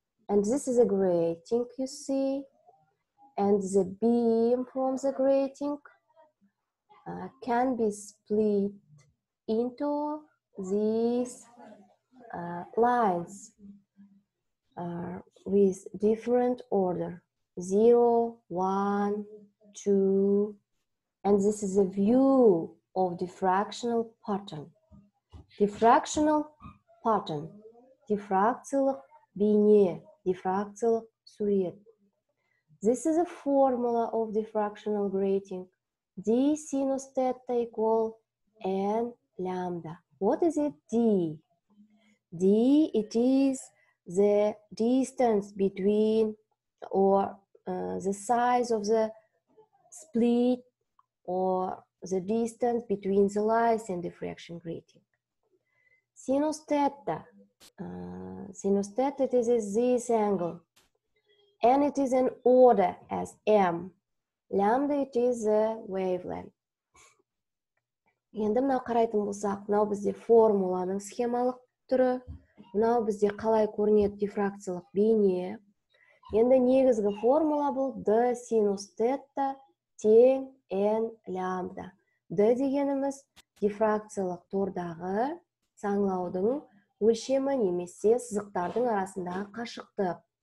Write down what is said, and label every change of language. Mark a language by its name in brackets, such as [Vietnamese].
[English] And this is a grating, you see. And the beam from the grating can be split into these lines with different order. 0, 1, 2. And this is a view of diffractional pattern. Diffractional pattern. Дифракциялық бейне, дифракциялық сурет. This is a formula of diffractional grating. D sinus theta equal N lambda. What is it D? D, it is the distance between or the size of the split or the distance between the lines and diffraction grating. Sinus theta. Sinus theta, it is this angle. And it is an order as M. Lambda, it is the wavelength. [Kazakh] Енді мынау қарайтын болсақ, мынау бізде формуланың схемалық түрі. Мынау бізде қалай көрінеді диффракциялық бейне. Енді негізгі формула бұл D sinus theta тең N lambda. D дегеніміз диффракциялық тордағы саңылаудың өлшемі, немесе сызықтардың арасындағы қашықтық.